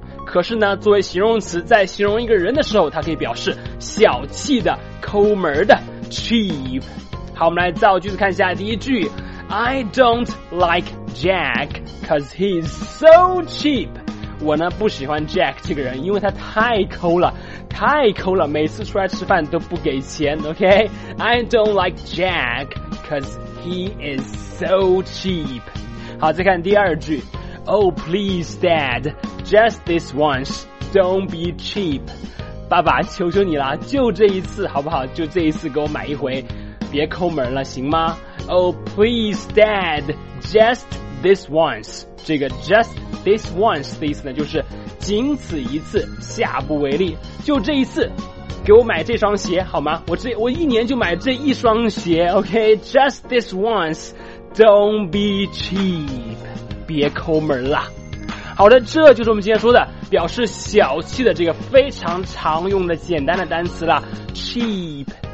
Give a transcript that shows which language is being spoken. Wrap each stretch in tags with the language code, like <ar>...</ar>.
<zh>可是呢，作为形容词，在形容一个人的时候，它可以表示小气的、抠门的 cheap。好，我们来造句子看一下。第一句</zh> <en>，I don't like Jack 'cause he's so cheap。</en> <zh>我呢不喜欢 Jack 这个人，因为他太抠了，太抠了，每次出来吃饭都不给钱。</zh> <en>OK，I don't like Jack 'cause he is so cheap。</en> <zh>好，再看第二句。</zh> <en>Oh, please, Dad, just this once, don't be cheap.</en> <zh>爸爸，求求你了，就这一次，好不好？就这一次给我买一回，别抠门了，行吗？</zh> <en>Oh, please, Dad, just this once.</en> <zh>这个</zh> <en>just this once</en> <zh>的意思呢，就是仅此一次，下不为例，就这一次，给我买这双鞋，好吗？我一年就买这一双鞋 ,OK?</zh> <en>Just this once, don't be cheap.</en> <zh>别抠门了。好的，这就是我们今天说的表示小气的这个非常常用的简单的单词了， cheap。</zh>